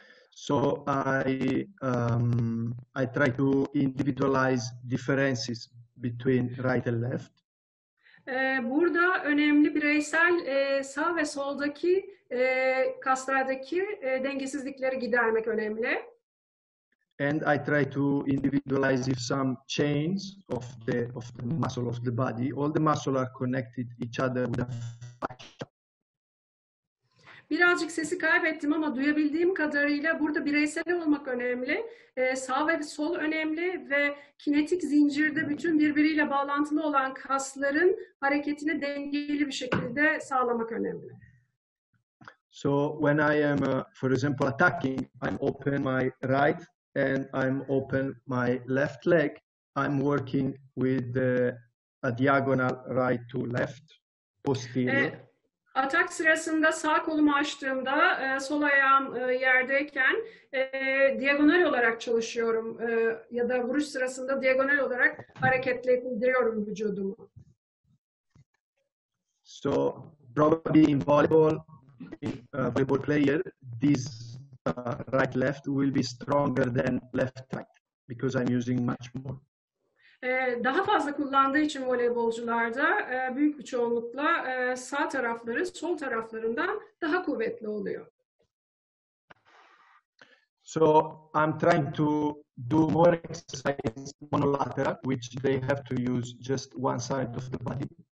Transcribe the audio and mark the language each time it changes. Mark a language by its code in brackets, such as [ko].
[en] So I try to individualize differences between right and left. [tr] Burada önemli bireysel sağ ve soldaki kaslardaki dengesizlikleri gidermek önemli. [en] and I try to individualize if some chains of the muscle of the body, all the muscles are connected each other with a fascia. [tr] Birazcık sesi kaybettim ama duyabildiğim kadarıyla burada bireysel olmak önemli. Sağ ve sol önemli ve kinetik zincirde bütün birbiriyle bağlantılı olan kasların hareketini dengeli bir şekilde sağlamak önemli. [en] So when I am for example attacking, I'm open my right and I'm open my left leg. I'm working with a diagonal right to left posterior. [tr] Atak sırasında sağ kolumu açtığımda sol ayağım yerdeyken diagonal olarak çalışıyorum ya da vuruş sırasında diagonal olarak hareketlendiriyorum vücudumu. [en] So probably in volleyball, volleyball player, this right left will be stronger than left right because I'm using much more. [tr] Daha fazla kullandığı için voleybolcularda büyük bir çoğunlukla sağ tarafları sol taraflarından daha kuvvetli oluyor. [en] So I'm trying to do more exercises monolateral, which they have to use just one side of the body.